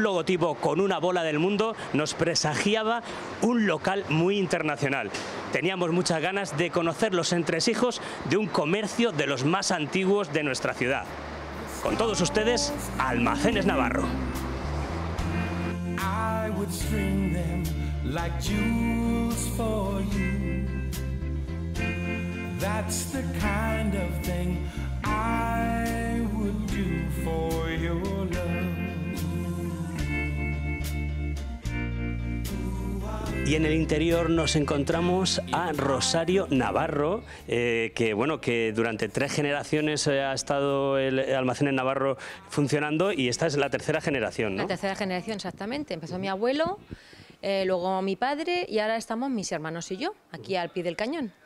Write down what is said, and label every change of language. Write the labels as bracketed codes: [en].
[es] deportivo con una bola del mundo nos presagiaba un local muy internacional. Teníamos muchas ganas de conocer los entresijos de un comercio de los más antiguos de nuestra ciudad. Con todos ustedes, Almacenes Navarro. [en] I would string them like jewels for you. That's the kind of thing I would do for your love. [es] Y en el interior nos encontramos a Rosario Navarro, que durante tres generaciones ha estado el almacén en Navarro funcionando, y esta es la tercera generación, ¿no? La tercera generación, exactamente. Empezó mi abuelo, luego mi padre, y ahora estamos mis hermanos y yo, aquí al pie del cañón.